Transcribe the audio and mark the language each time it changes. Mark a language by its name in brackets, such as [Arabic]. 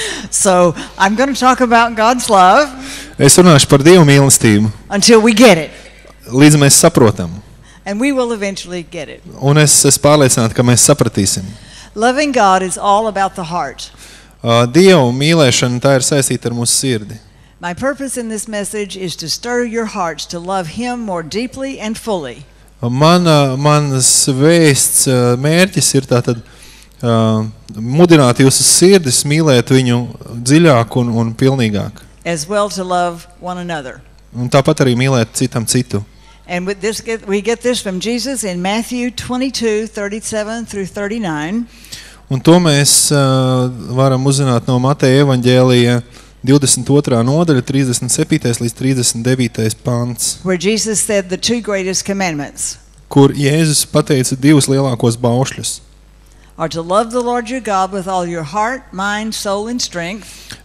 [English] So, I'm going to talk about God's love. [Latvian] Es runāšu par Dievu mīlestību. [English] Until we get it. [Latvian] Līdz mēs saprotam. [English] And we will eventually get it. [Latvian] Un es pārliecināts, ka mēs sapratīsim. [English] Loving God is all about the heart. [Latvian] Dievu mīlēšana, tā ir saistīta ar mūsu sirdi. [English] My purpose in this message is to stir your hearts to love him more deeply and fully. [Latvian] Manas vēsts mērķis ir tātad mudināt jūsu sirdis mīlēt viņu dziļāk un pilnīgāk. [English] As well to love one another. [Latvian] Un tāpat arī mīlēt citam citu. [English] And with this we get this from Jesus in Matthew 22:37-39. [Latvian] Un to mēs varam uzzināt no Mateja evaņģēlija 22. nodaļa 37. līdz 39. pants. [English] Where Jesus said the two greatest commandments. [Latvian] Kur Jēzus pateica divus lielākos baušļus. [English] Are to love the Lord your God with all your heart, mind, soul and strength.